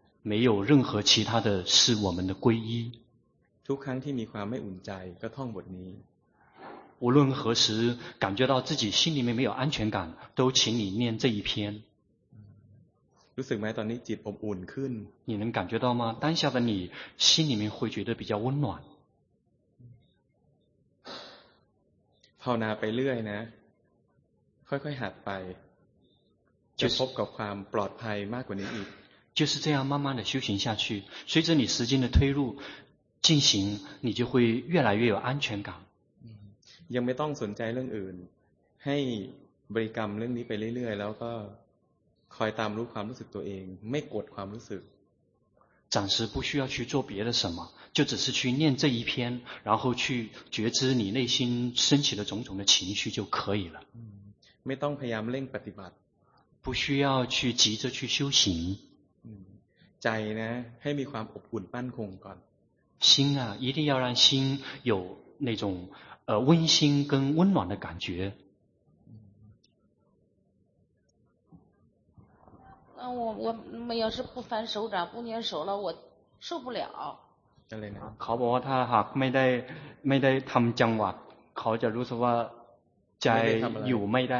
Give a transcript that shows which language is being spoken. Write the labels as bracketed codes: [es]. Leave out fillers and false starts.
[zh] 没有任何其他的是我们的皈依 [th] ทุกครั้งที่มีความไม่อุ่นใจก็ท่องบทนี้ [zh] 无论何时感觉到自己心里面没有安全感都请你念这一篇 [th] รู้สึกไหมตอนนี้จิตอบอุ่นขึ้น [zh] 你能感觉到吗当下的你心里面会觉得比较温暖 [th] ภาวนาไปเรื่อยนะค่อยๆหัดไป [zh] 就 [th] พบกับความปลอดภัยมากกว่านี้อีก [zh] 就是这样慢慢的修行下去随着你时间的推入进行你就会越来越有安全感 [th] ยังไม่ต้องสนใจเรื่องอื่นให้บริกรรมเรื่องนี้ไปเรื่อยๆแล้วก็คอยตามรู้ความรู้สึกตัวเองไม่กดความรู้สึก [zh] 暂时不需要去做别的什么就只是去念这一篇然后去觉知你内心升起的种种的情绪就可以了 [th] ไม่ต้องพยายามเร่งปฏิบัติ [zh] 不需要去急着去修行 [th] ใจนะให้มีความอบอุ่นปั้นคงก่อน [zh] 心啊一定要让心有那种温馨跟温暖的感觉我们要是不翻手掌不捏手了我受不了 [th] อะไรนะ เขาบอกว่าถ้าหากไม่ได้ทำจังหวะเขาจะรู้สึกว่าใจอยู่ไม่ได